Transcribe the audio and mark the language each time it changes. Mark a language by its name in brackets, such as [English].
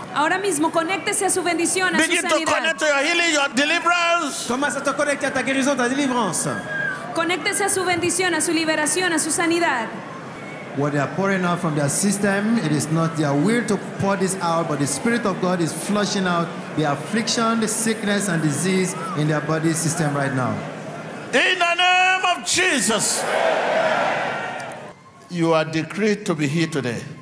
[Spanish] Ahora mismo, conéctese a su bendición, a su sanidad. [English] Begin to connect to your healing, your deliverance. [French] Commence à te connecter à ta guérison, ta délivrance. [Spanish] Conéctese a su bendición, a su liberación, a su sanidad. [English] What they are pouring out from their system, it is not their will to pour this out, but the Spirit of God is flushing out the affliction, the sickness, and disease in their body system right now. In the name of Jesus, amen. You are decreed to be here today.